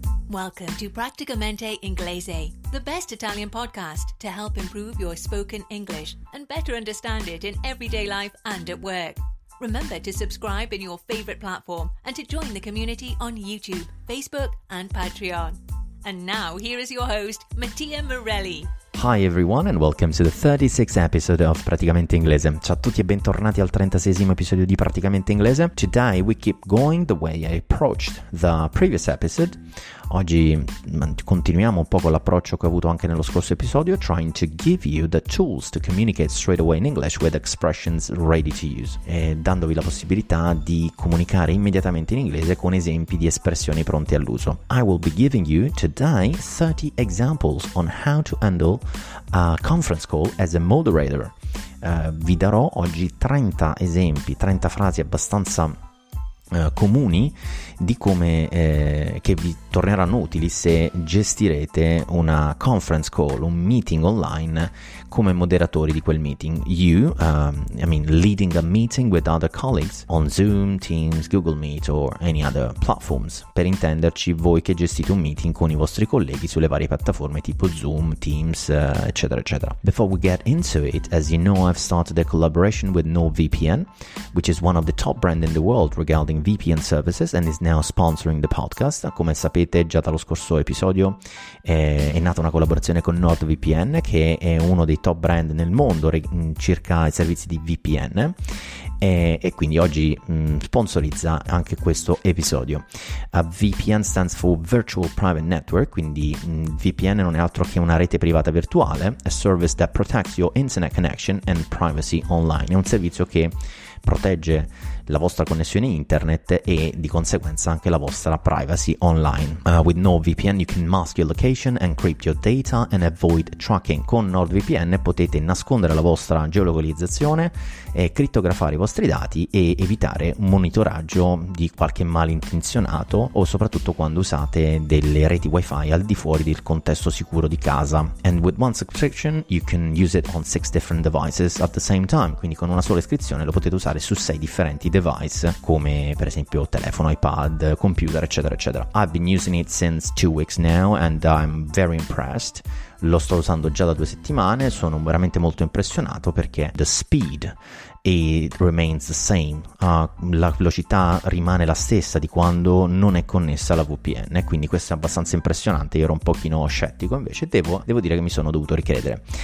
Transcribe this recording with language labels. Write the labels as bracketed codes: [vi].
[en] Welcome to Practicamente Inglese, the best Italian podcast to help improve your spoken English and better understand it in everyday life and at work. Remember to subscribe in your favorite platform and to join the community on YouTube, Facebook and Patreon. And now here is your host, Mattia Morelli. Hi everyone and welcome to the 36th episode of Praticamente Inglese. [it] Ciao a tutti e bentornati al 36esimo episodio di Praticamente Inglese. [en] Today we keep going the way I approached the previous episode. [it] Oggi continuiamo un po' con l'approccio che ho avuto anche nello scorso episodio, [en] trying to give you the tools to communicate straight away in English with expressions ready to use, [it] e dandovi la possibilità di comunicare immediatamente in inglese con esempi di espressioni pronti all'uso. [en] I will be giving you today 30 examples on how to handle a conference call as a moderator. [it] Vi darò oggi 30 esempi, 30 frasi abbastanza comuni di come che vi torneranno utili se gestirete una conference call, un meeting online come moderatori di quel meeting. [en] Leading a meeting with other colleagues on Zoom, Teams, Google Meet or any other platforms. [it] Per intenderci, voi che gestite un meeting con i vostri colleghi sulle varie piattaforme tipo Zoom, Teams, eccetera, eccetera. [en] Before we get into it, as you know, I've started a collaboration with NordVPN, which is one of the top brands in the world regarding VPN services and is now sponsoring the podcast. [it] Come sapete già dallo scorso episodio è nata una collaborazione con NordVPN, che è uno dei top brand nel mondo circa i servizi di VPN, e quindi oggi sponsorizza anche questo episodio. [en] VPN stands for Virtual Private Network, [it] quindi VPN non è altro che una rete privata virtuale, [en] a service that protects your internet connection and privacy online. [it] È un servizio che protegge la vostra connessione internet e di conseguenza anche la vostra privacy online. [en] With NordVPN you can mask your location, encrypt your data and avoid tracking. [it] Con NordVPN potete nascondere la vostra geolocalizzazione e crittografare i vostri dati e evitare un monitoraggio di qualche malintenzionato, o soprattutto quando usate delle reti wifi al di fuori del contesto sicuro di casa. [en] And with one subscription you can use it on 6 different devices at the same time. [it] Quindi con una sola iscrizione lo potete usare su 6 differenti device, come per esempio telefono, iPad, computer, eccetera eccetera. [en] I've been using it since 2 weeks now and I'm very impressed. [it] Lo sto usando già da 2 settimane, sono veramente molto impressionato perché [en] the speed it remains the same, [it] la velocità rimane la stessa di quando non è connessa alla VPN, quindi questo è abbastanza impressionante. Io ero un pochino scettico, invece devo dire che mi sono dovuto ricredere.